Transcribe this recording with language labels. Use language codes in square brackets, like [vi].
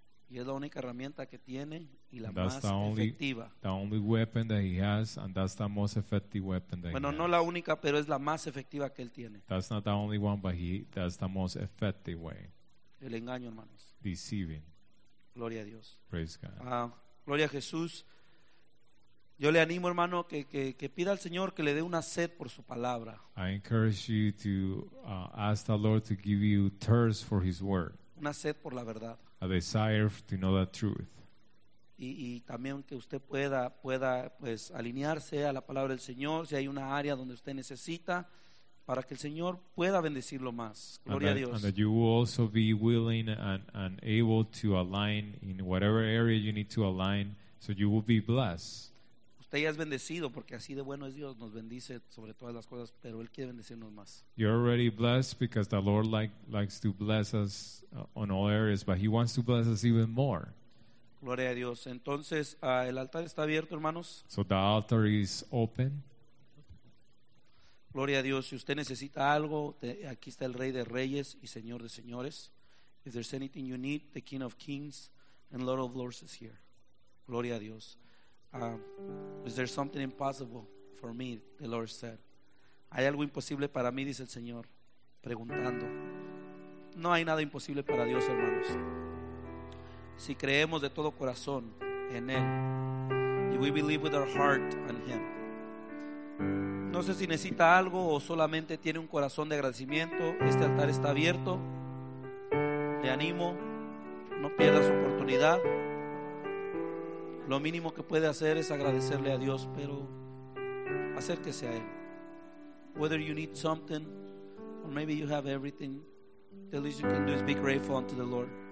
[es] Y es la única herramienta que tiene y la más efectiva. [en] The only weapon that he has, and that's the most effective weapon that he has. [es] Bueno, no la única, pero es la más efectiva que él tiene. [en] That's not the only one, but that's the most effective way. [es] El engaño, hermanos. [en] Deceiving. [es] Gloria a Dios. [en] Praise God. [es] Gloria a Jesús. Yo le animo, hermano, que pida al Señor que le dé una sed por su palabra. [en] I encourage you to ask the Lord to give you thirst for His word. [es] Una sed por la verdad. [en] A desire to know the truth. [es] Y también que usted pueda pues alinearse a la palabra del Señor, si hay una área donde usted necesita, para que el Señor pueda bendecirlo más. Gloria a Dios. [en] And that you will also be willing and able to align in whatever area you need to align, so you will be blessed. [es] Usted ya es bendecido porque así de bueno es Dios, nos bendice sobre todas las cosas, pero Él quiere bendecirnos más. [en] You're already blessed because the Lord likes to bless us on all areas, but He wants to bless us even more. [es] Gloria a Dios. Entonces, el altar está abierto, hermanos. [en] So the altar is open. [es] Gloria a Dios. Si usted necesita algo, aquí está el Rey de Reyes y Señor de Señores. [en] If there's anything you need, the King of Kings and Lord of Lords is here. [es] Gloria a Dios. [en] Is there something impossible for me? The Lord said. [es] Hay algo imposible para mí, dice el Señor, preguntando. No hay nada imposible para Dios, hermanos. Si creemos de todo corazón en Él, [en] if we believe with our heart in Him. [es] No sé si necesita algo o solamente tiene un corazón de agradecimiento. Este altar está abierto. Te animo. No pierdas su oportunidad. Lo mínimo que puede hacer es agradecerle a Dios, pero acérquese a Él. [en] Whether you need something, or maybe you have everything, the least you can do is be grateful unto the Lord.